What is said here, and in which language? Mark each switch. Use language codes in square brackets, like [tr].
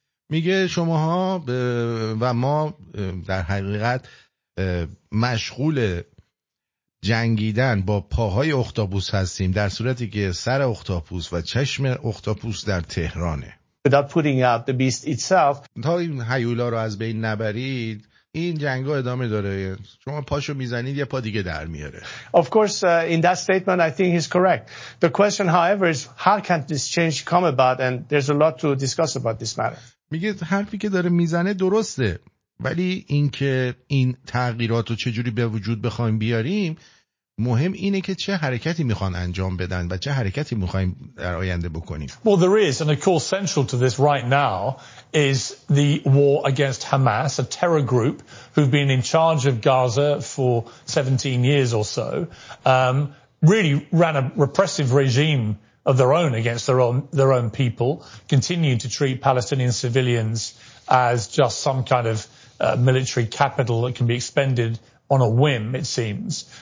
[fa] میگه شماها و ما در حقیقت مشغول جنگیدن با پاهای اختاپوس هستیم، در صورتی که سر اختاپوس و چشم اختاپوس در تهرانه. [en] Without putting out the beast itself. [fa] تا این هیولا رو از بین نبرید، این جنگا ادامه داره. شما پاشو میزنید یا پا دیگه در میاره. [en] Of course, in that statement, I think he's correct. The question, however, is how can this change come about? And there's a lot to discuss about this matter. [fa] میگه حرفی که داره میزنه درسته، ولی اینکه این تغییرات رو چه جوری به وجود بخوایم بیاریم، مهم اینه که چه حرکتی میخوان انجام بدن و چه حرکتی میخوایم در آینده بکنیم. [en] Well, there is, and of course central to this right now is the war against Hamas, a terror group who've been in charge of Gaza for 17 years or so. Really ran a repressive regime of their own against their own people, continuing to treat Palestinian civilians as just some kind of military capital that can be expended on a whim, it seems.